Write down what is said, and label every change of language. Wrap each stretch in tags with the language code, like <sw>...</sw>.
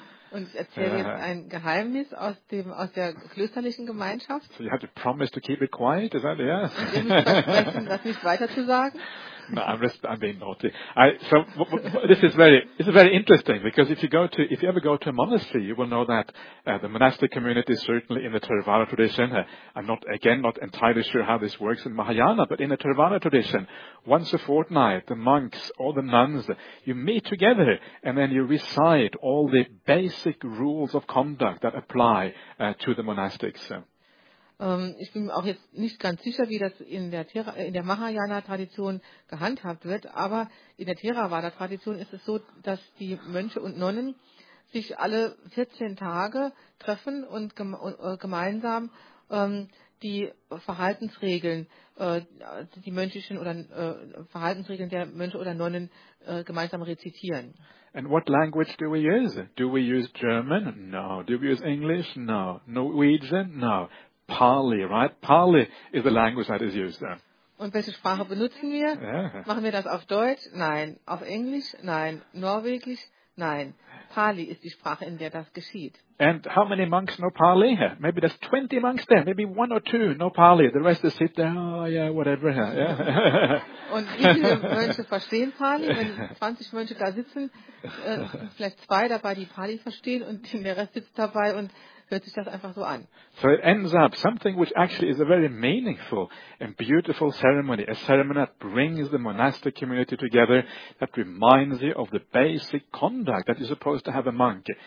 <de>Und ich erzähle jetzt ein Geheimnis aus der klösterlichen Gemeinschaft.</de> <en>So you have to promise to keep it quiet, is that it?</en> <de>Ich muss versprechen, das nicht weiter zu sagen.</de> <en>No, I'm being naughty. This is very interesting, because if you ever go to a monastery, you will know that the monastic community, certainly in the Theravada tradition, I'm not entirely sure how this works in Mahayana, but in the Theravada tradition, once a fortnight, the monks or the nuns, you meet together and then you recite all the basic rules of conduct that apply to the monastics.</en> <de>Ich bin auch jetzt nicht ganz sicher, wie das in der Mahayana-Tradition gehandhabt wird, aber in der Theravada-Tradition ist es so, dass die Mönche und Nonnen sich alle 14 Tage treffen und gemeinsam die Verhaltensregeln, die mönchischen oder Verhaltensregeln der Mönche oder Nonnen gemeinsam rezitieren.</de> <en>And what language do we use? Do we use German? No. Do we use English? No. Norwegian? No. Pali, right? Pali is the language that is used there.</en> <de>Und welche Sprache benutzen wir? Yeah. Machen wir das auf Deutsch? Nein. Auf Englisch? Nein. Norwegisch? Nein. Pali ist die Sprache, in der das geschieht.</de> <en>And how many monks know Pali? Maybe there's 20 monks there. Maybe one or two know Pali. The rest sit there, oh yeah, whatever. Yeah.</en> <de>Und wie viele Mönche verstehen Pali? Wenn 20 Mönche da sitzen, vielleicht zwei dabei, die Pali verstehen, und der Rest sitzt dabei und hört sich das einfach so an.</de> <en>So it ends up something which actually is a very meaningful and beautiful ceremony, a ceremony that brings the monastic community together, that reminds you of the basic conduct that you're supposed to have a monk.</en>